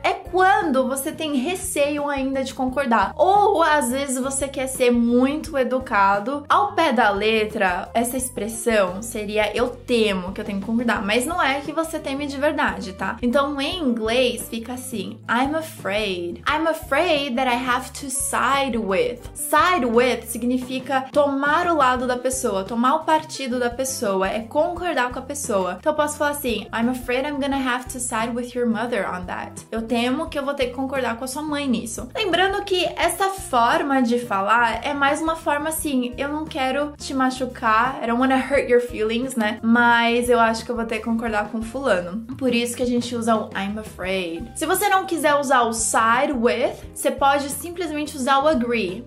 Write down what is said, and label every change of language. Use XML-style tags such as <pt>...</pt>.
<pt>É quando você tem receio ainda de concordar. Ou às vezes você quer ser muito educado. Ao pé da letra, essa expressão seria eu temo que eu tenho que concordar. Mas não é que você teme de verdade, tá? Então em inglês fica assim.</pt> <en>I'm afraid that I have to side with.</en> <pt>Side with significa tomar o lado da pessoa, tomar o partido da pessoa, é concordar com a pessoa. Então eu posso falar assim,</pt> <en>I'm afraid I'm gonna have to side with your mother on that.</en> <pt>Eu temo que eu vou ter que concordar com a sua mãe nisso. Lembrando que essa forma de falar é mais uma forma assim, eu não quero te machucar,</pt> <en>I don't wanna hurt your feelings,</en> <pt>né? Mas eu acho que eu vou ter que concordar com fulano. Por isso que a gente usa o I'm afraid. Se você não quiser usar o side with, você pode simplesmente usar o agree.</pt>